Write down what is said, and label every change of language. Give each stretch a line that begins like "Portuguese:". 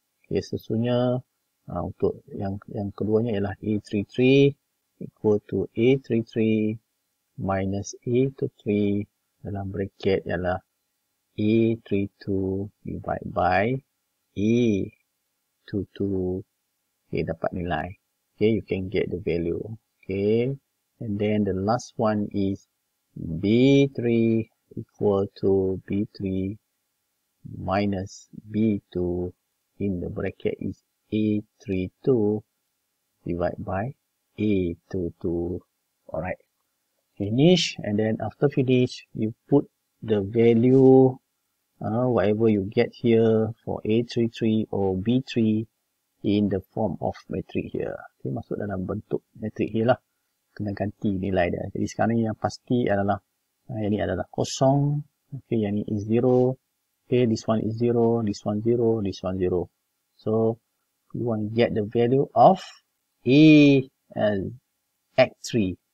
Malay: Okey, sesungguhnya untuk yang keduanya ialah A33
English: equal to
Malay: A33 minus A23 dalam bracket ialah A32
English: divided by
Malay: A22.
English: Okey,
Malay: dapat nilai.
English: Okey, you can get the value. Okey. And then the last one is B3 equal to B3 minus B2 in the bracket is A32 divided by A22. Alright. Finish, and then after finish, you put the value whatever you get here for A33 or B3 in the form of matrix here.
Malay: Okay, masuk dalam bentuk matrix here lah. Kena ganti nilai dia. Jadi sekarang yang pasti adalah yang ni adalah kosong.
English: Okay,
Malay: yang ni
English: is zero. Okay, this one is zero. This one zero. This one zero. So, you want to get the value of A as X3.